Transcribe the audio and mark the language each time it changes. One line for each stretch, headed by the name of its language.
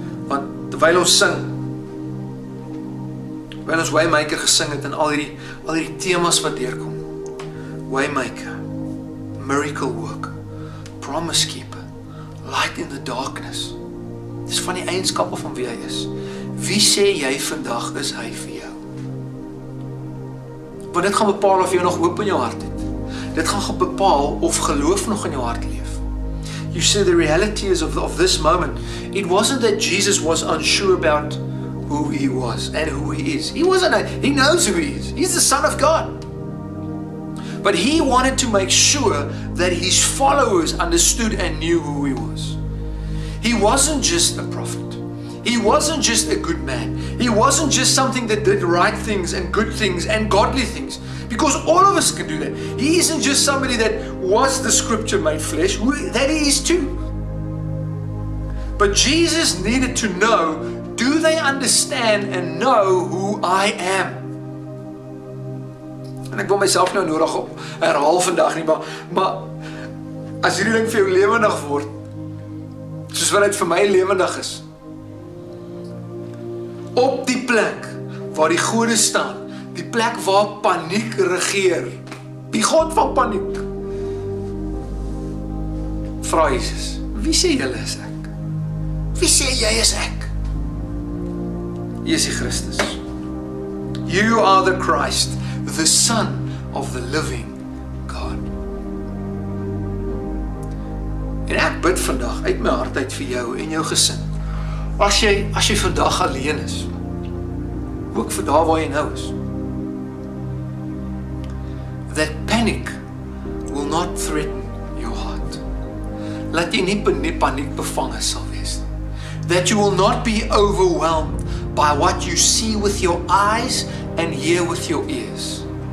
Afrikaans: Want terwyl ons sing, terwyl ons Waymaker gesing het en al die themas wat deurkom, Waymaker, Miracle Work, Promise Keeper, Light in the Darkness, dis van die eienskappe van wie hy is. Wie sê jy vandag is hy vir jou? Want dit gaan bepaal of jy nog hoop in jou hart het. Dit gaan bepaal of geloof nog in jou hart leef.
English: You see, the reality is of this moment, it wasn't that Jesus was unsure about who he was and who he is. He knows who he is. He's the Son of God. But he wanted to make sure that his followers understood and knew who he was. He wasn't just a prophet. He wasn't just a good man. He wasn't just something that did right things and good things and godly things. Because all of us can do that. He isn't just somebody that was the scripture made flesh. That he is too. But Jesus needed to know, do they understand and know who I am?
Afrikaans: En ek wil myself nou nodig op herhaal vandag nie, maar as hierdie ding vir jou lewendig word, soos wat het vir my lewendig is, op die plek waar die gode staan, die plek waar paniek regeer, die God van paniek, vra Jesus, wie sê jy is ek? Wie sê jy is ek?
English: Jesus Christus, you are the Christ, the Son of the living God.
Afrikaans: En ek bid vandag uit my hart uit vir jou en jou gesin, as jy vandag alleen is, ook vir daar waar jy nou is,
English: that panic will not threaten your heart.
Afrikaans: Laat jy nie net paniek bevange sal wees.
English: That you will not be overwhelmed by what you see with your eyes and hear with your ears.